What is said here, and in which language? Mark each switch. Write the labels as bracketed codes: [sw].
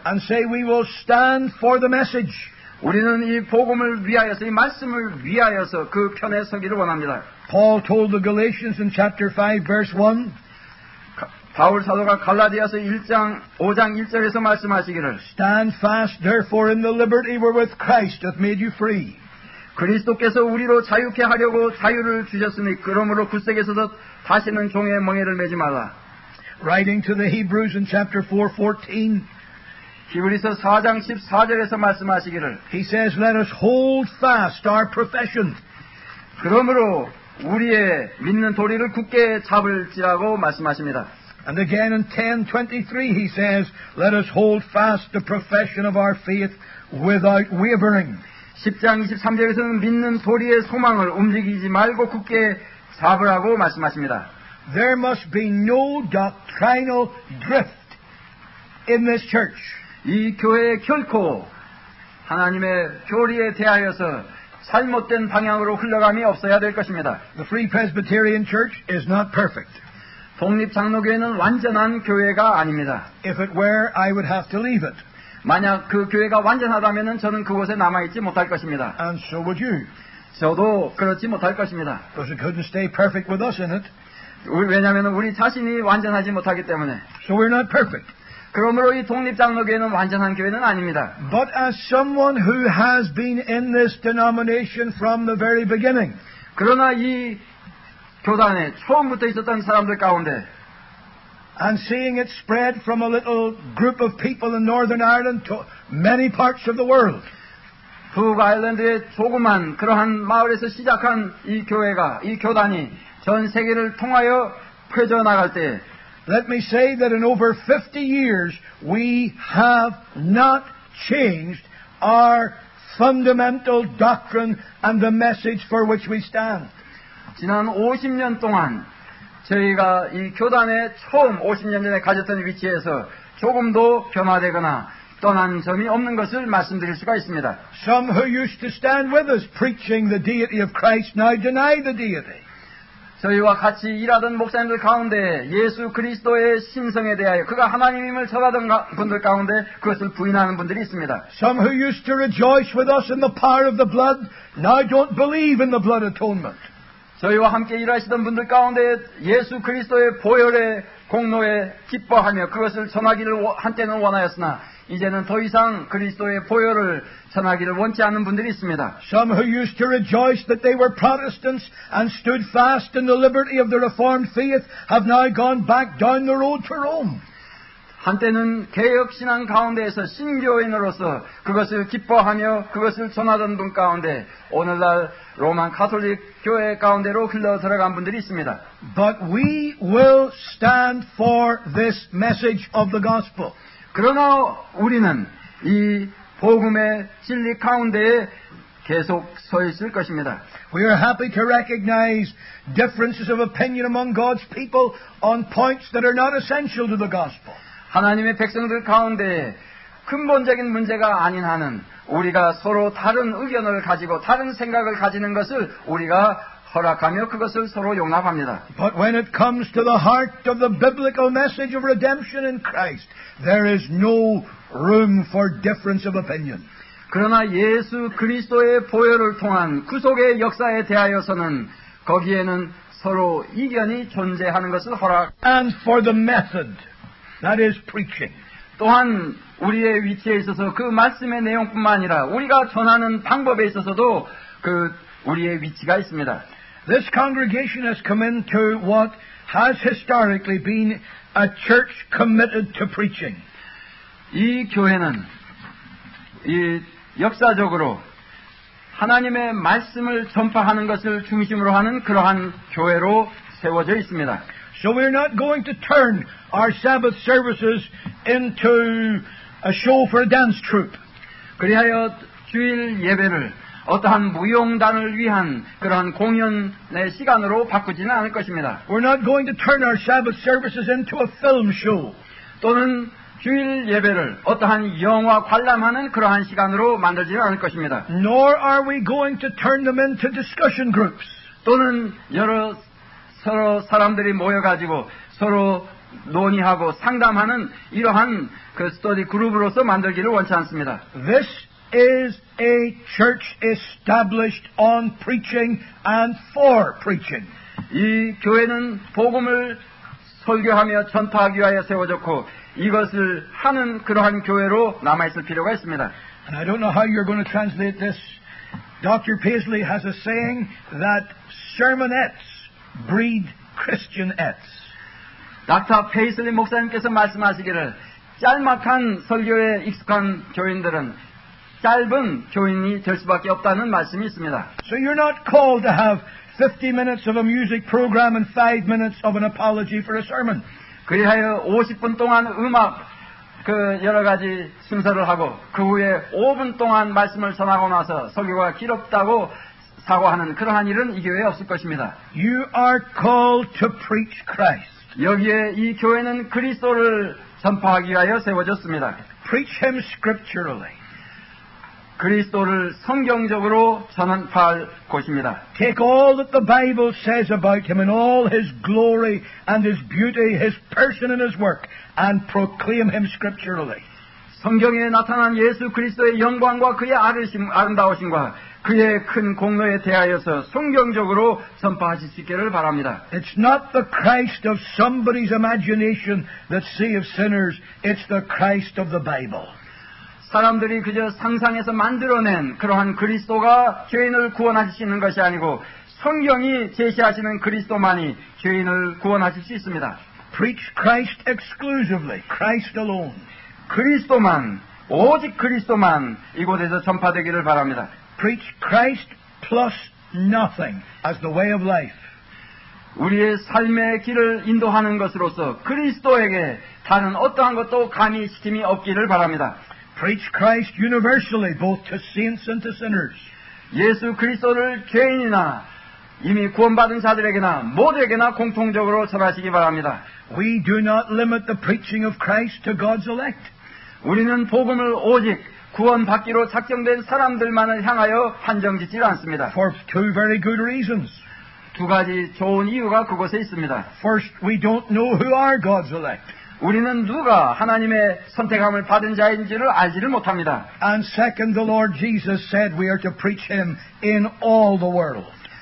[en] And say we will stand for the message. [ko] 우리는 이 복음을 위하여서 이 말씀을 위하여서 그 편에 서기를 원합니다. [en] Paul told the Galatians in chapter 5 verse 1. [ko] 바울 사도가 갈라디아서 5장 1절에서 말씀하시기를 [en] Stand fast therefore in the liberty wherewith Christ hath made you free. [ko] 그리스도께서 우리로 자유케 하려고 자유를 주셨으니 그러므로 굳세게서도 다시는 종의 멍에를 메지 말라. [en] Writing to the Hebrews in chapter 4:14. [ko] 히브리서 4장 14절에서 말씀하시기를 [en] He says let us hold fast our profession. [ko] 그러므로 우리의 믿는 도리를 굳게 잡을지라고 말씀하십니다. [en] And again in 10:23 he says, Let us hold fast the profession of our faith without wavering. [ko] 10장 23절에서는 믿는 도리의 소망을 움직이지 말고 굳게 잡으라고 말씀하십니다. [en] There must be no doctrinal drift in this church. [ko] 이 교회에 결코 하나님의 교리에 대하여서 잘못된 방향으로 흘러감이 없어야 될 것입니다. [en] The Free Presbyterian Church is not perfect. [ko] 독립장로교회는 완전한 교회가 아닙니다. [en] If it were, I would have to leave it. [ko] 만약 그 교회가 완전하다면 저는 그곳에 남아있지 못할 것입니다. [en] And so would you. [ko] 저도 그렇지 못할 것입니다. [en] Because it couldn't stay perfect with us in it. [ko] 왜냐하면 우리 자신이 완전하지 못하기 때문에. [en] So we're not perfect. [ko] 그러므로 이 독립장로교회는 완전한 교회는 아닙니다. [en] But as someone who has been in this denomination from the very beginning. [ko] 그러나 이 교단에 처음부터 있었던 사람들 가운데 [en] and seeing it spread from a little group of people in Northern Ireland to many parts of the world. [ko] 북 아일랜드의 조그만 그러한 마을에서 시작한 이 교회가 이 교단이 전 세계를 통하여 퍼져 나갈 때 [en] let me say that in over 50 years we have not changed our fundamental doctrine and the message for which we stand. [ko] 지난 50년 동안 저희가 이 교단의 처음 50년 전에 가졌던 위치에서 조금도 변화되거나 떠난 점이 없는 것을 말씀드릴 수가 있습니다. [en] Some who used to stand with us preaching the deity of Christ now deny the deity. [ko] 저희와 같이 일하던 목사님들 가운데 예수 그리스도의 신성에 대하여 그가 하나님임을 전하던 분들 가운데 그것을 부인하는 분들이 있습니다. [en] Some who used to rejoice with us in the power of the blood now don't believe in the blood atonement. [ko] 저희와 함께 일하시던 분들 가운데 예수 그리스도의 보혈의 공로에 기뻐하며 그것을 전하기를 한때는 원하였으나 이제는 더 이상 그리스도의 보혈을 전하기를 원치 않는 분들이 있습니다. [en] Some who used to rejoice that they were Protestants and stood fast in the liberty of the Reformed faith have now gone back down the road to Rome. [ko] 한때는 개혁신앙 가운데에서 신교인으로서 그것을 기뻐하며 그것을 전하던 분 가운데 오늘날 로만 가톨릭 교회 가운데로 흘러 들어간 분들이 있습니다. [en] But we will stand for this message of the gospel. [ko] 그러나 우리는 이 복음의 진리 가운데에 계속 서 있을 것입니다. [en] We are happy to recognize differences of opinion among God's people on points that are not essential to the gospel. [ko] 하나님의 백성들 가운데 근본적인 문제가 아닌 한은 우리가 서로 다른 의견을 가지고 다른 생각을 가지는 것을 우리가 허락하며 그것을 서로 용납합니다. [en] But when it comes to the heart of the biblical message of redemption in Christ, there is no room for difference of opinion. [ko] 그러나 예수 그리스도의 보혈을 통한 구속의 역사에 대하여서는 거기에는 서로 이견이 존재하는 것을 허락. [en] And for the method, that is preaching. [ko] 또한 우리의 위치에 있어서 그 말씀의 내용뿐만 아니라 우리가 전하는 방법에 있어서도 그 우리의 위치가 있습니다. [en] This congregation has come into what has historically been a church committed to preaching. [ko] 이 교회는 이 역사적으로 하나님의 말씀을 전파하는 것을 중심으로 하는 그러한 교회로 세워져 있습니다. [en] So we're not going to turn our Sabbath services into a show for a dance troupe. [ko] 그리하여 주일 예배를 어떠한 무용단을 위한 그러한 공연의 시간으로 바꾸지는 않을 것입니다. [en] We're not going to turn our Sabbath services into a film show. [ko] 또는 주일 예배를 어떠한 영화 관람하는 그러한 시간으로 만들지는 않을 것입니다. [en] Nor are we going to turn them into discussion groups. [ko] 또는 여러 서로 사람들이 모여가지고 서로 논의하고 상담하는 이러한 그 스터디 그룹으로서 만들기를 원치 않습니다. [en] This is a church established on preaching and for preaching. [ko] 이 교회는 복음을 설교하며 전파하기 위하여 세워졌고 이것을 하는 그러한 교회로 남아있을 필요가 있습니다. [en] And I don't know how you're going to translate this. Dr. Paisley has a saying that sermonettes breed Christianettes. [ko] 닥터 페이슬리 목사님께서 말씀하시기를 짤막한 설교에 익숙한 교인들은 짧은 교인이 될 수밖에 없다는 말씀이 있습니다. [en] So you're not called to have 50 minutes of a music program and 5 minutes of an apology for a sermon. [ko] 그리하여 50분 동안 음악 그 여러 가지 순서를 하고 그 후에 5분 동안 말씀을 전하고 나서 설교가 길었다고 사과하는 그러한 일은 이 교회에 없을 것입니다. [en] You are called to preach Christ. [ko] 여기에 이 교회는 그리스도를 전파하기 위하여 세워졌습니다. [en] Preach him scripturally. [ko] 그리스도를 성경적으로 전파할 곳입니다. [en] Take all that the Bible says about him and all his glory and his beauty, his person and his work and proclaim him scripturally. [ko] 성경에 나타난 예수 그리스도의 영광과 그의 아름다우심과 그의 큰 공로에 대하여서 성경적으로 선포하실 수 있기를 바랍니다. [en] It's not the Christ of somebody's imagination that saves sinners. It's the Christ of the Bible. [ko] 사람들이 그저 상상해서 만들어낸 그러한 그리스도가 죄인을 구원하실 수 있는 것이 아니고 성경이 제시하시는 그리스도만이 죄인을 구원하실 수 있습니다. [en] Preach Christ exclusively. Christ alone. [ko] 그리스도만, 오직 그리스도만 이곳에서 전파되기를 바랍니다. [en] Preach Christ plus nothing as the way of life. [ko] 우리의 삶의 길을 인도하는 것으로서 그리스도에게 다른 어떠한 것도 감히 시킴이 없기를 바랍니다. [en] Preach Christ universally both to saints and to sinners. [ko] 예수 그리스도를 죄인이나 이미 구원받은 자들에게나 모두에게나 공통적으로 전하시기 바랍니다. [en] We do not limit the preaching of Christ to God's elect. [ko] 우리는 복음을 오직 구원받기로 작정된 사람들만을 향하여 한정짓지 않습니다. [en] For two very good reasons. [ko] 두 가지 좋은 이유가 그곳에 있습니다. [en] First, we don't know who are God's elect. [ko] 우리는 누가 하나님의 선택함을 받은 자인지를 알지를 못합니다. [en] And second, the Lord Jesus said we are to preach Him in all the world.